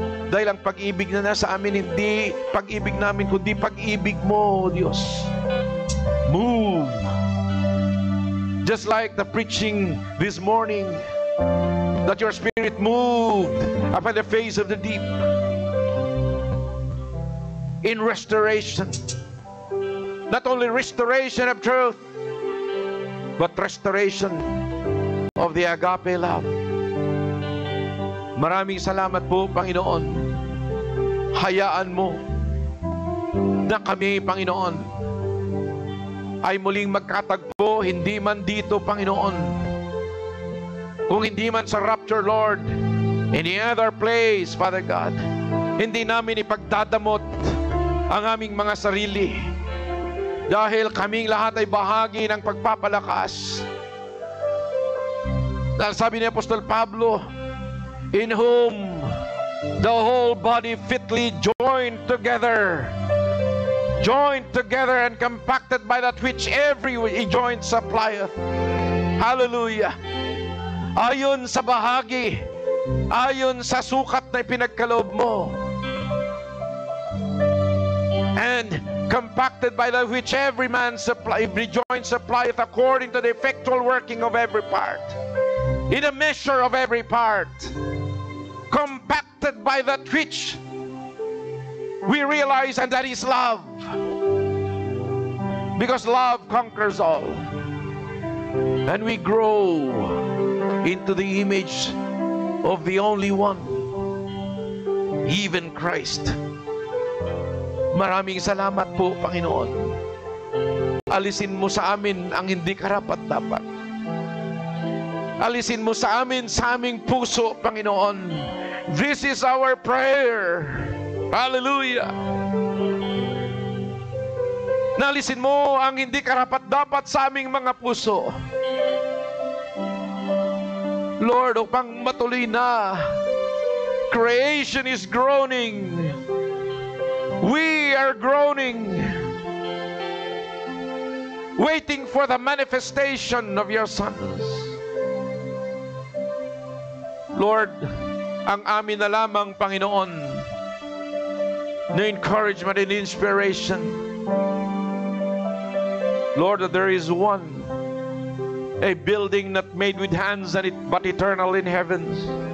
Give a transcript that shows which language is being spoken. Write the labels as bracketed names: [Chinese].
[Filipino] Dahil ang pag-ibig na nasa amin, hindi pag-ibig namin, kundi pag-ibig mo, Diyos. [English] Move. Just like the preaching this morning, that your spirit moved upon the face of the deep. In restoration. Not only restoration of truth, but restoration of the agape love. [Filipino] Maraming salamat po, Panginoon. Hayaan mo na kami, Panginoon, ay muling magkatagpo, hindi man dito, Panginoon. Kung hindi man sa rapture, Lord, [English] any other place, Father God, [Filipino] hindi namin ipagdadamot ang aming mga sarili dahil kaming lahat ay bahagi ng pagpapalakas. Dahil sabi ni Apostol Pablo, [English] in whom the whole body fitly joined together, and compacted by that which every joint supplieth. Hallelujah! [Filipino] Ayon sa bahagi, ayon sa sukat na ipinagkaloob mo, [English] and compacted by that which every man supply, every joint supplieth according to the effectual working of every part, in a measure of every part, compacted by that which we realize, and that is love. Because love conquers all. And we grow into the image of the only one, even Christ. [Filipino] Maraming salamat po, Panginoon. Alisin mo sa amin ang hindi karapat-dapat. Alisin mo sa amin sa aming puso, Panginoon. [English] This is our prayer. Hallelujah! [Filipino] Nalisin mo ang hindi karapat-dapat sa aming mga puso, Lord, upang matuloy na [English] creation is groaning. We are groaning, waiting for the manifestation of your sons. Lord, [Filipino] ang amin na lamang, Panginoon, na [English] encouragement and inspiration, Lord, that there is one, a building not made with hands, and but eternal in heavens.